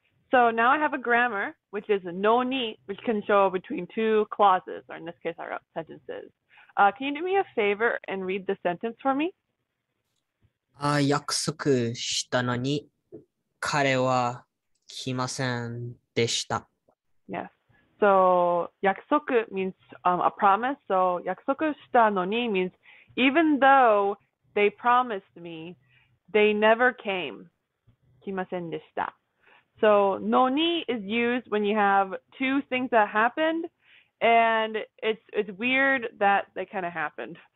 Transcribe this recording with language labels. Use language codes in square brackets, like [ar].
[en] So now I have a grammar, which is no ni, which can show between two clauses, or in this case, our sentences. Can you do me a favor and read the sentence for me? [ja] あ、約束したのに彼は来ませんでした。 [en] Yes. So, 約束 means a promise. So, [ja] 約束したのに [en] means even though they promised me, they never came. [ja] 来ませんでした。 [en] So, のに is used when you have two things that happened, and it's weird that they kind of happened.